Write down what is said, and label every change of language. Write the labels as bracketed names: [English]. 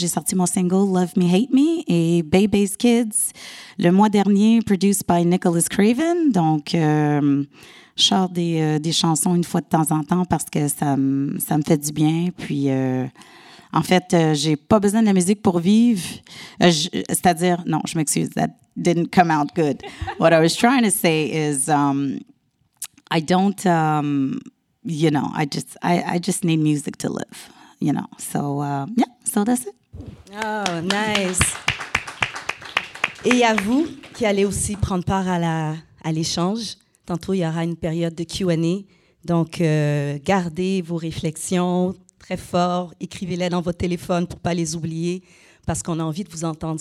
[French] J'ai sorti mon single « Love Me, Hate Me » et « Bebe's Kids » le mois dernier, « Produced by Nicholas Craven ». Donc, je sors des chansons une fois de temps en temps parce que ça me fait du bien. Puis, en fait, j'ai pas besoin de la musique pour vivre. C'est-à-dire, non, je m'excuse, [English] that didn't come out good. What I was trying to say is, I just need music to live, you know. So, yeah, so that's it. Oh, nice. [French] Et à vous qui allez aussi prendre part à l'échange. Tantôt, il y aura une période de Q&A. Donc, gardez vos réflexions très fort. Écrivez-les dans votre téléphone pour ne pas les oublier parce qu'on a envie de vous entendre.